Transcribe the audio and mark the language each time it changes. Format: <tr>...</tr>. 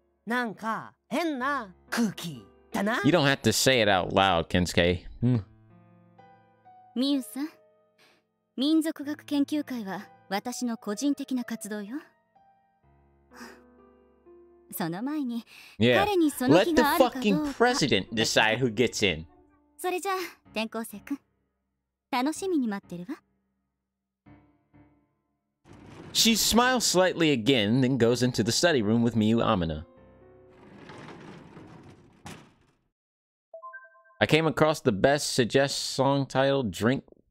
<en>You don't have to say it out loud, Kensuke.</en> <ja>Miu-san, 民族学研究会は私の個人的な活動よ.</ja> <en>Yeah. Let the fucking president decide who gets in.</en> <ja>それじゃ、転校生君、楽しみに待ってるわ.</ja> <en>She smiles slightly again, then goes into the study room with Miu Amina. I came across the best suggest song title, Drink...</en>